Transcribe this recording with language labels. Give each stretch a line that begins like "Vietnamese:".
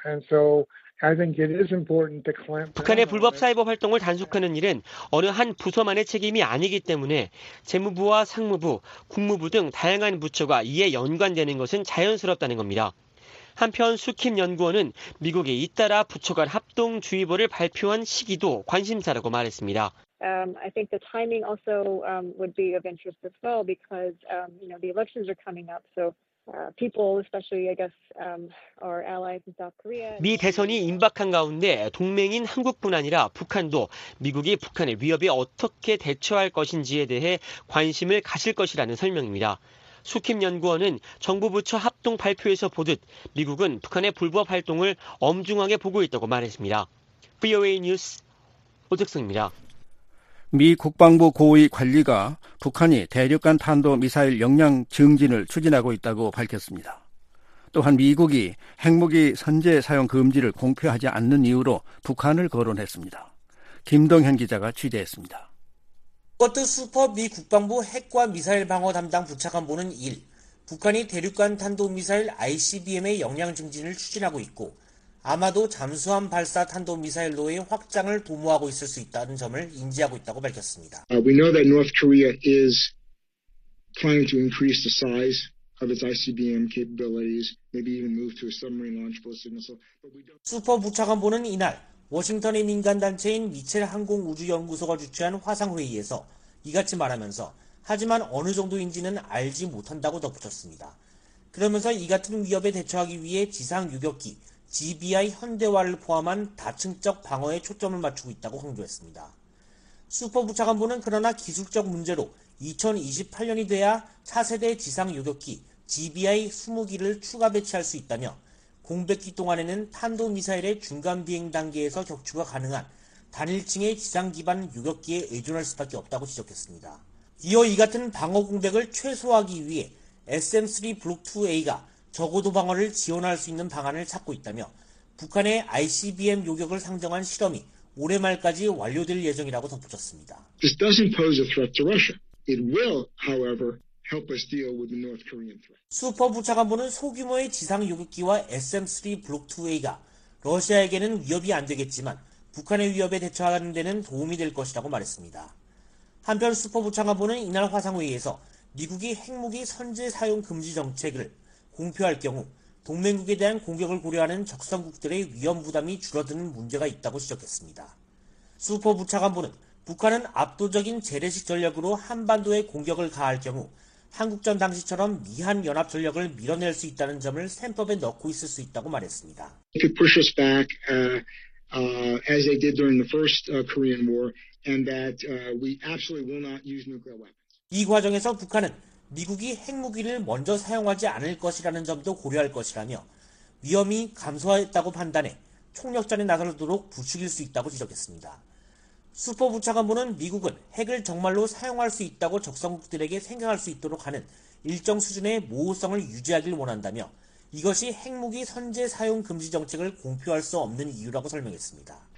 English: And so I think it is important to clamp down.
Korean: 북한의 불법 사이버 활동을 단속하는 일은 어느 한 부서만의 책임이 아니기 때문에 재무부와 상무부, 국무부 등 다양한 부처가 이에 연관되는 것은 자연스럽다는 겁니다. 한편 수킴 연구원은 미국이 잇따라 부처 간 합동주의보를 발표한 시기도 관심사라고 말했습니다.
English: I think the timing also would be of interest as well because you know, the elections are coming up. So people, especially, I guess, our allies in South Korea.
Korean: 미 대선이 임박한 가운데 동맹인 한국뿐 아니라 북한도 미국이 북한의 위협에 어떻게 대처할 것인지에 대해 관심을 가질 것이라는 설명입니다. 수킴 연구원은 정부 부처 합동 발표에서 보듯 미국은 북한의 불법 활동을 엄중하게 보고 있다고 말했습니다. VOA 뉴스 오득성입니다. 미 국방부 고위 관리가 북한이 대륙간 탄도미사일 역량 증진을 추진하고 있다고 밝혔습니다. 또한 미국이 핵무기 선제 사용 금지를 공표하지 않는 이유로 북한을 거론했습니다. 김동현 기자가 취재했습니다. 스코트 슈퍼 미 국방부 핵과 미사일 방어 담당 부차관보는 1. 북한이 대륙간 탄도미사일 ICBM의 역량 증진을 추진하고 있고 아마도 잠수함 발사 탄도미사일로의 확장을 도모하고 있을 수 있다는 점을 인지하고 있다고 밝혔습니다.
English: We know that North Korea is planning to increase the size of its ICBM capabilities, maybe even move to a submarine launch ballistic missile.
Korean: 슈퍼 부차관보는 이날 워싱턴의 민간단체인 미첼 항공우주연구소가 주최한 화상회의에서 이같이 말하면서 하지만 어느 정도인지는 알지 못한다고 덧붙였습니다. 그러면서 이 같은 위협에 대처하기 위해 지상 유격기, GBI 현대화를 포함한 다층적 방어에 초점을 맞추고 있다고 강조했습니다. 슈퍼 부차관보는 그러나 기술적 문제로 2028년이 돼야 차세대 지상 요격기 GBI 20기를 추가 배치할 수 있다며 공백기 동안에는 탄도미사일의 중간 비행 단계에서 격추가 가능한 단일층의 지상 기반 요격기에 의존할 수밖에 없다고 지적했습니다. 이어 이 같은 방어 공백을 최소화하기 위해 SM-3 블록 2A가 적어도 방어를 지원할 수 있는 방안을 찾고 있다며 북한의 ICBM 요격을 상정한 실험이 올해 말까지 완료될 예정이라고 덧붙였습니다.
English: This doesn't pose a threat to Russia. It will, however, help us deal with the North Korean threat.
Korean: 슈퍼 부차관보는 소규모의 지상 요격기와 SM-3 블록 2A가 러시아에게는 위협이 안 되겠지만 북한의 위협에 대처하는 데는 도움이 될 것이라고 말했습니다. 한편 슈퍼 부차관보는 이날 화상회의에서 미국이 핵무기 선제 사용 금지 정책을 공표할 경우 동맹국에 대한 공격을 고려하는 적성국들의 위험 부담이 줄어드는 문제가 있다고 지적했습니다. 슈퍼 부차관보는 북한은 압도적인 재래식 전력으로 한반도에 공격을 가할 경우 한국전 당시처럼 미한 연합 전력을 밀어낼 수 있다는 점을 셈법에 넣고 있을 수 있다고 말했습니다.
English: If you push us back as they did during the first Korean War, and that we absolutely will not use nuclear weapons.
Korean: 이 과정에서 북한은 미국이 핵무기를 먼저 사용하지 않을 것이라는 점도 고려할 것이라며 위험이 감소했다고 판단해 총력전에 나서도록 부추길 수 있다고 지적했습니다. 슈퍼 부차관보는 미국은 핵을 정말로 사용할 수 있다고 적성국들에게 생각할 수 있도록 하는 일정 수준의 모호성을 유지하길 원한다며 이것이 핵무기 선제 사용 금지 정책을 공표할 수 없는 이유라고 설명했습니다.